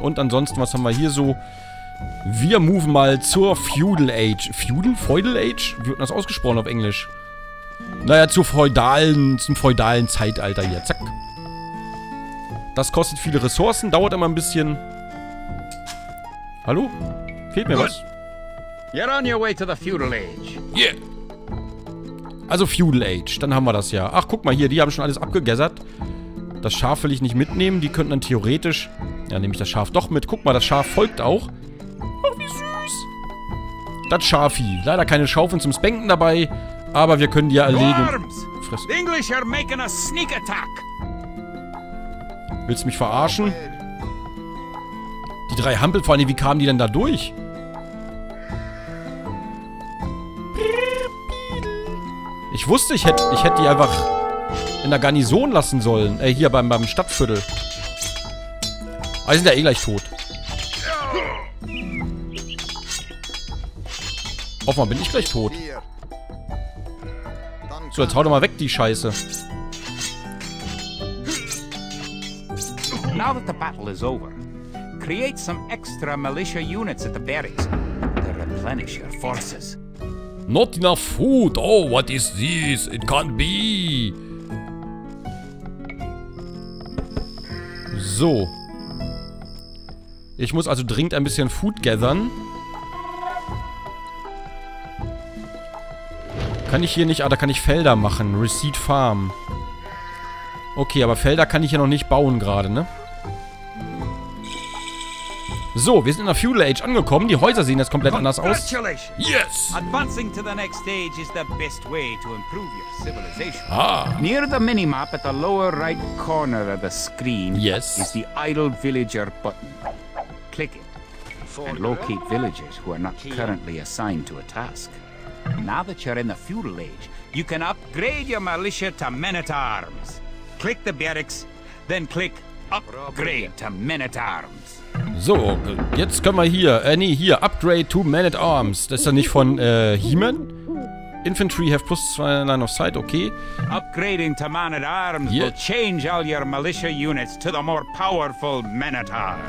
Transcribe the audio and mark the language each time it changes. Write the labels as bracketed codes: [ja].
[de] Und ansonsten, was haben wir hier so? Wir move mal zur Feudal Age. Feudal? Feudal Age? Wie wird das ausgesprochen auf Englisch? Naja, zum feudalen Zeitalter hier. Zack. Das kostet viele Ressourcen, dauert immer ein bisschen. Hallo? Fehlt mir was? [en] You're on your way to the Feudal Age. Yeah. [de] Also Feudal Age, dann haben wir das ja. Ach, guck mal hier, die haben schon alles abgegessert. Das Schaf will ich nicht mitnehmen. Die könnten dann theoretisch... Ja, nehme ich das Schaf doch mit. Guck mal, das Schaf folgt auch. Oh, wie süß. Das Schafi. Leider keine Schaufeln zum Spenken dabei. Aber wir können die ja erlegen. [en] Worms! The English are making a sneak attack. [de] Willst du mich verarschen? Die drei Hampel, vor allem, wie kamen die denn da durch? Ich wusste, ich hätte die einfach... in der Garnison lassen sollen. Hier beim Stadtviertel. Aber die sind ja eh gleich tot. Offenbar bin ich gleich tot. So, jetzt hau doch mal weg, die Scheiße. [en] Now that the battle is over, create some extra militia units at the barracks to replenish your forces. Not enough food. Oh, what is this? It can't be. [de] So. Ich muss also dringend ein bisschen Food gathern. Kann ich hier nicht... Ah, da kann ich Felder machen. Reseed Farm. Okay, aber Felder kann ich hier noch nicht bauen gerade, ne? So, wir sind in der Feudal Age angekommen. Die Häuser sehen jetzt komplett anders aus. [en] Yes! Advancing to the next stage is the best way to improve your civilization. Ah! Near the minimap at the lower right corner of the screen... Yes. ...is the Idle Villager button. Click it. And locate villagers who are not currently assigned to a task. Now that you're in the Feudal Age, you can upgrade your militia to men-at-arms. Click the barracks, then click upgrade to men-at-arms. [de] So, jetzt können wir hier, hier, [en] upgrade to men-at-arms. [de] Das ist ja nicht von, He-Man? [en] Infantry have plus 2 line of sight, [de] okay. [en] Upgrading to man-at-arms will change all your militia units to the more powerful men-at-arms.